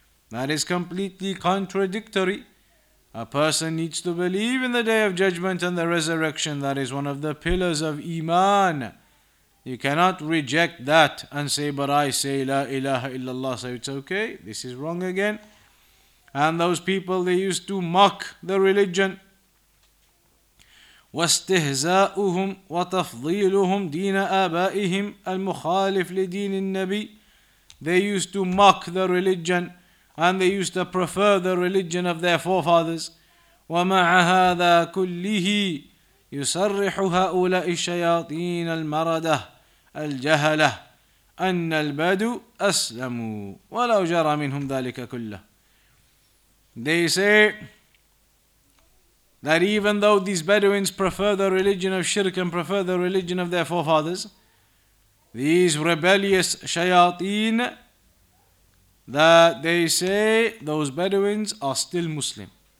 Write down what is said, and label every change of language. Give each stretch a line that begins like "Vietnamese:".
English: That is completely contradictory. A person needs to believe in the Day of Judgment and the resurrection. That is one of the pillars of Iman. You cannot reject that and say, but I say La ilaha illallah, so it's okay. This is wrong again. And those people, they used to mock the religion.
Arabic: واستهزاؤهم وتفضيلهم دين آبائهم المخالف لدين النبي.
English: They used to mock the religion and they used to prefer the religion of their forefathers.
Arabic: ومع هذا كله يصرح هؤلاء الشياطين المردة الجهلة أن البدو أسلموا ولو جرى منهم ذلك كله.
English: They say that even though these Bedouins prefer the religion of shirk and prefer the religion of their forefathers, these rebellious shayateen, that they say those Bedouins are still Muslim.